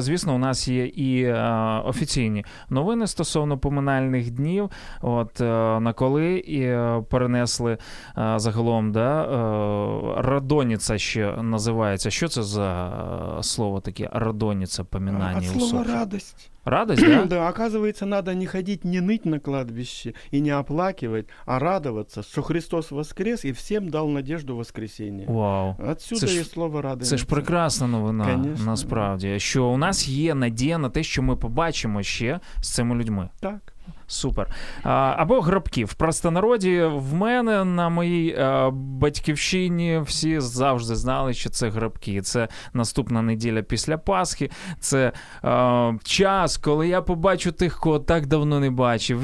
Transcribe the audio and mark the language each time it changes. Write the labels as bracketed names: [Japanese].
[Ukrainian] Звісно, у нас є і офіційні новини стосовно поминальних днів, от на коли і перенесли загалом, да, Радоніца ще називається. Що це за слово таке, Радоніца, поминання [Russian] усопших? Слово радость. Радость, да? Да, оказывается, надо не ходить, не ныть на кладбище и не оплакивать, а радоваться, что Христос воскрес и всем дал надежду воскресения. Вау. Отсюда и слово радость. [Ukrainian] Это ж прекрасна новина, конечно, насправді, да. Що у нас є надія на те, що ми побачимо ще з цими людьми. Так. Супер. Або гробки. В простонароді, в мене, на моїй батьківщині, всі завжди знали, що це гробки. Це наступна неділя після Пасхи. Це час, коли я побачу тих, кого так давно не бачив.